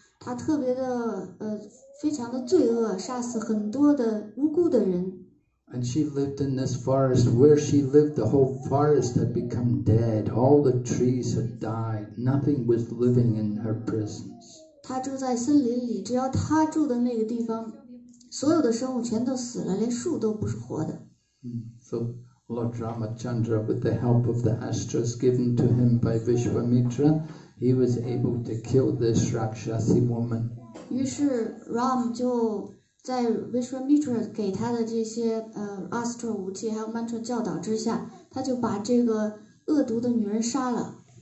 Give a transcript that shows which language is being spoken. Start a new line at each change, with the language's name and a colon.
Chinese: 他特别的非常的罪恶，杀死很多的无辜的人。
English: And she lived in this forest. Where she lived, the whole forest had become dead. All the trees had died. Nothing was living in her presence.
Chinese: 他住在森林里，只要他住的那个地方，所有的生物全都死了，连树都不是活的。
English: So Lord Ramachandra, with the help of the astras given to him by Vishwamitra. He was able to kill this Rakshasi woman.
Chinese: 于是 Ram 就在 Vishwamitra 给他的这些astra 武器还有 mantra 教导之下，他就把这个恶毒的女人杀了。